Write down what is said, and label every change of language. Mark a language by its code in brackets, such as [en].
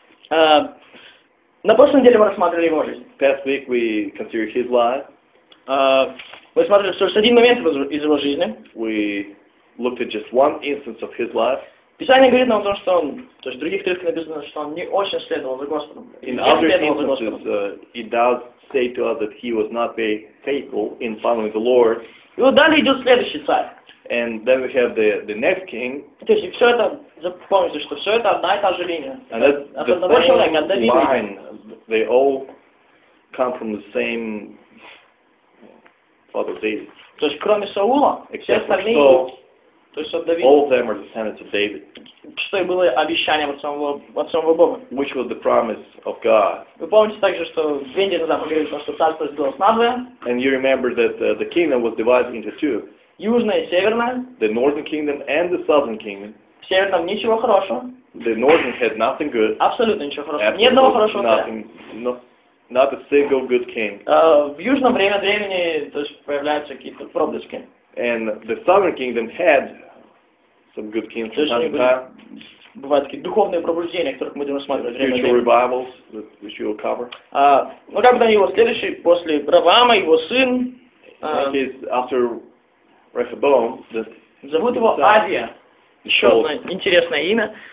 [ru] На прошлой неделе мы рассматривали его жизнь. [en] Past week we considered his life. [ru] Мы смотрели лишь один момент из его жизни. [en] We looked at just one instance of his life. [ru] Писание говорит нам о том, что он, то есть в других трех написано, что он не очень следовал за Господом. [en] In other instances, it does say to us that he was not very faithful in following the Lord. [ru] И вот далее идет следующий царь. [en] And then we have the next king. [ru] То есть все это, запомните, что все это одна и та же линия. [en] And that's the same line. They all come from the same father David. [ru] То есть кроме Саула, все остальные. So, то есть от Давида. [en] All of them are descendants of David. [ru] Что и было обещанием от самого Бога. [en] Which was the promise of God. [ru] Вы помните также, что две недели назад мы говорили, что царство разделилось надвое. [en] And you remember that the kingdom was divided into two. [ru] Южное и северное. [en] The northern kingdom and the southern kingdom. [ru] В северном ничего хорошего. [en] The northern had nothing good. [ru] Абсолютно ничего хорошего. Ни одного хорошего. [en] Nothing. No, not a single good king. [ru] В южном время времени то есть появляются какие-то проблески. [en] And the southern kingdom had some good kings from time to time. [ru] Бывают такие духовные пробуждения, которых мы будем рассматривать. [en] Future revivals, which you will cover. [ru] Ну как бы там его следующий, после Раваама, его сын. [en] After Rehoboam, [ru] зовут его Абия. Еще одно интересное имя.